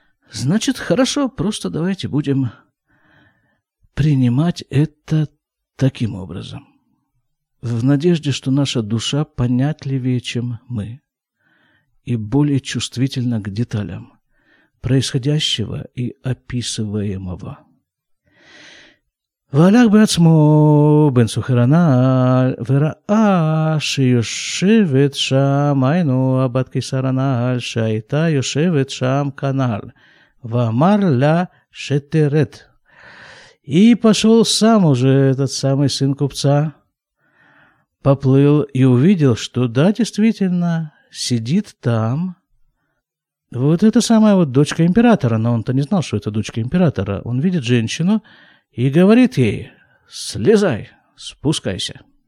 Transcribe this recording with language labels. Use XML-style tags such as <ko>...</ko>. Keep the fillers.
<ru>Значит, хорошо, просто давайте будем принимать это таким образом. В надежде, что наша душа понятливее, чем мы, и более чувствительна к деталям происходящего и описываемого.</ru> <he>והלך בעצמו בן סוחרנל, וראה שיושבת שם, היינו הבת קיסר הנעל, שהייתה יושבת שם כנ"ל, ואמר לה שתרד.</he> <ru>И пошел сам уже этот самый сын купца, поплыл и увидел, что да, действительно, сидит там вот эта самая вот дочка императора, но он-то не знал, что это дочка императора. Он видит женщину, и говорит ей, «Слезай, спускайся».</ru>